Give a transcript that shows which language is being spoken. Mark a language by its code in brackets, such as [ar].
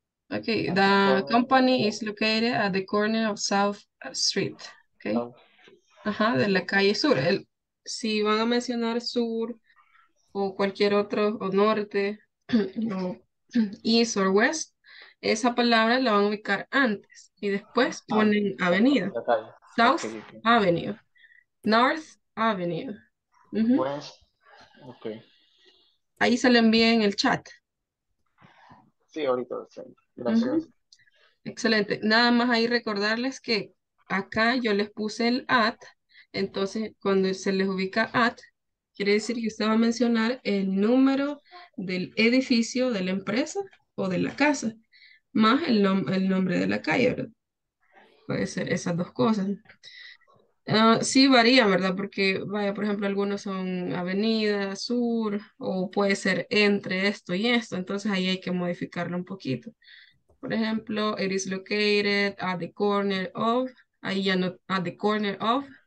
[en] Ok, the company is located at the corner of South Street. [es] Ok. Ajá, de la calle sur. Si van a mencionar sur o cualquier otro, o norte, o [en] east or west, [es] esa palabra la van a ubicar antes y después ponen avenida. [en] South Avenue. North Avenue. Uh-huh. West. Ok. [es] Ahí se le envía en el chat. Sí, ahorita. Sí. Gracias. Uh-huh. Excelente. Nada más ahí recordarles que acá yo les puse el at. Entonces, cuando se les ubica at, quiere decir que usted va a mencionar el número del edificio, de la empresa o de la casa, más el nombre de la calle, ¿verdad? Puede ser esas dos cosas. Sí varía, ¿verdad? Porque, vaya, por ejemplo, algunos son avenida, sur, o puede ser entre esto y esto. Entonces, ahí hay que modificarlo un poquito. Por ejemplo, [en] it is located at the corner of, [es] ahí ya no, [en] at the corner of.